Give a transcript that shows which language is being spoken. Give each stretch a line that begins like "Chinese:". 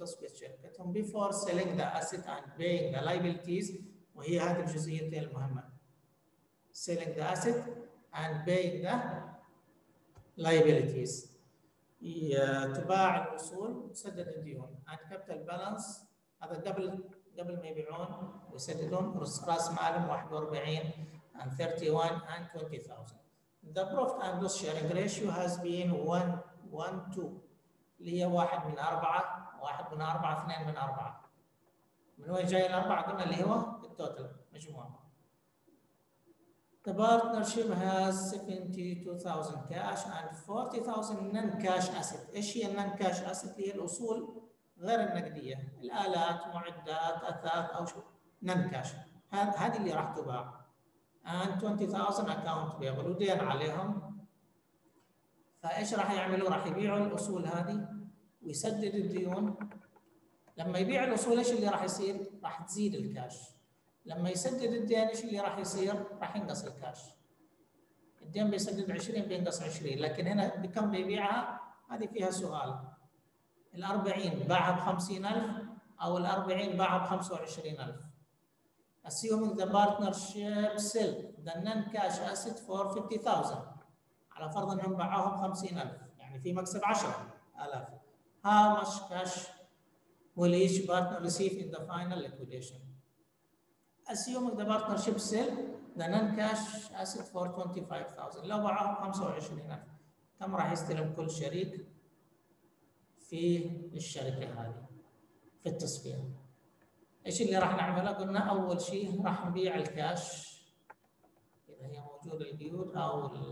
Arabic: تصفية شركتهم
English: before selling the asset and paying the liabilities،
Arabic: وهي هذه الجزئية المهمة،
English: selling the asset and paying the liabilities.
Arabic: تباع الأصول وتسدد الديون،
English: and capital balance
Arabic: هذا قبل ما يبيعون ويسددون، رأس مالهم 41 and 31 and 20,000.
English: The profit and loss sharing ratio has been 1:1:2.
Arabic: اللي هي واحد من أربعة، واحد من أربعة، اثنين من أربعة. من وين جاي الأربعة؟ قلنا اللي هو التوتل مجموعة.
English: The partnership has 72,000 cash and 40,000 non-cash asset.
Arabic: إيش هي non-cash asset؟ هي الأصول غير النقدية، الآلات، معدات، أثاث أو شو، non-cash. هذه اللي راح تباع.
English: And 20,000 account payable،
Arabic: ودين عليهم. فايش راح يعملوا؟ راح يبيعوا الاصول هذه ويسدد الديون. لما يبيع الاصول ايش اللي راح يصير؟ راح تزيد الكاش. لما يسدد الدين ايش اللي راح يصير؟ راح ينقص الكاش. الدين بيسدد 20 بينقص 20، لكن هنا بكم بيبيعها؟ هذه فيها سؤال، ال40 باعها ب 50,000 او ال40 باعها ب 25,000.
English: assuming the partnership sell the non cash asset for 50,000،
Arabic: على فرض أنهم باعوها ب50,000، يعني في مكسب 10,000.
English: How much cash will each partner receive in the final liquidation? Assuming the partnership sell the non-cash asset for 25,000،
Arabic: لو باعوها ب25,000، كم راح يستلم كل شريك في الشركة هذه في التصفية؟ إيش اللي راح نعمله؟ قلنا أول شيء راح نبيع الكاش، إذا هي موجودة الديون أو